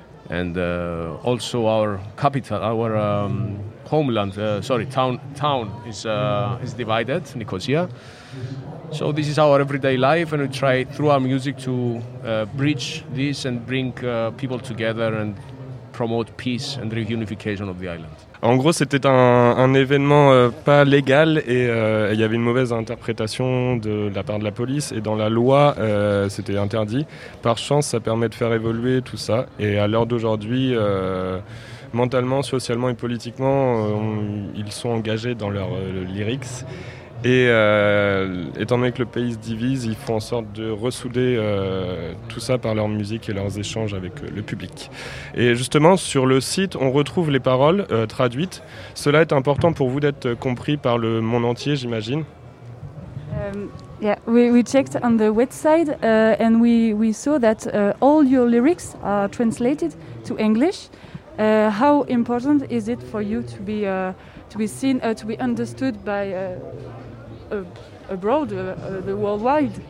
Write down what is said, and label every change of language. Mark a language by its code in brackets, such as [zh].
[en] And also our capital, our homeland, town is divided, Nicosia. So this is our everyday life, and we try through our music to bridge this and bring people together and promote peace and reunification of the island. [fr] En gros, c'était un événement pas légal et il y avait une mauvaise interprétation de la part de la police et dans la loi, c'était interdit. Par chance, ça permet de faire évoluer tout ça et à l'heure d'aujourd'hui, mentalement, socialement et politiquement, ils sont engagés dans leurs lyrics. Et étant donné que le pays se divise, ils font en sorte de ressouder tout ça par leur musique et leurs échanges avec le public. Et justement, sur le site, on retrouve les paroles traduites. Cela est important pour vous d'être compris par le monde entier, j'imagine. [en] We checked on the website and we saw that all your lyrics are translated to English. How important is it for you to be seen, to be understood by abroad, the worldwide?